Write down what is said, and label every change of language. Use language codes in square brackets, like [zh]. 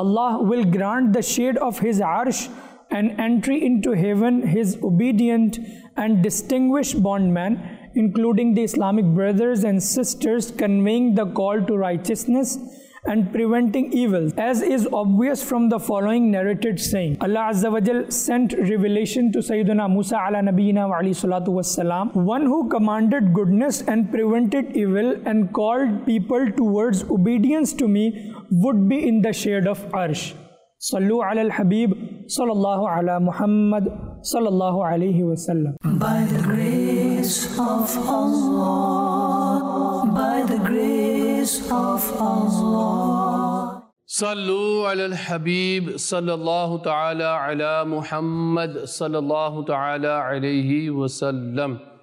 [en] Allah will grant the shade of his arsh and entry into heaven his obedient and distinguished bondmen, including the Islamic brothers and sisters conveying the call to righteousness and preventing evils, as is obvious from the following narrated saying. Allah Azza wa Jal sent revelation to Sayyidina Musa [ar] ala Nabiyina wa alayhi salatu wa salam. [en] One who commanded goodness and prevented evil and called people towards obedience to me would be in the shade of Arsh. [ar] صلو علی الحبیب صلی اللہ علی محمد صلی اللہ علیہ وسلم. [en] By the grace of Allah, by the grace of Allah. [ar] صلو علی الحبیب صلی اللہ تعالی علی محمد صلی اللہ تعالی علیہ وسلم.